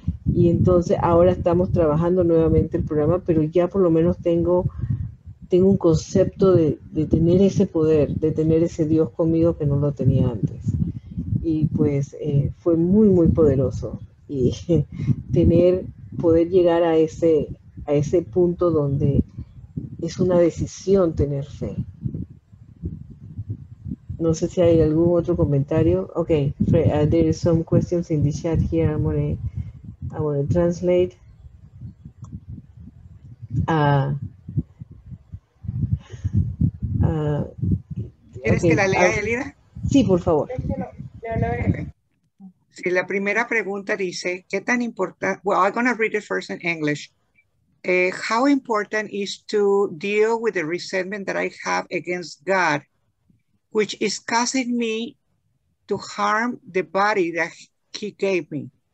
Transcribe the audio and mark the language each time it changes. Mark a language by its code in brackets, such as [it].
[es] Y entonces ahora estamos trabajando nuevamente el programa, pero ya por lo menos tengo un concepto de tener ese poder, de tener ese Dios conmigo que no lo tenía antes. Y pues fue muy, muy poderoso. Y poder llegar a ese punto donde es una decisión tener fe. No sé si hay algún otro comentario. [en] Ok, Fred, there are some questions in the chat here. I want to translate. Uh, [es] ¿Quieres que la lea, Yelida? Sí, por favor. Sí, la primera pregunta dice, ¿qué tan importante? [en] Well, I'm going to read it first in English. How important is to deal with the resentment that I have against God, which is causing me to harm the body that he gave me?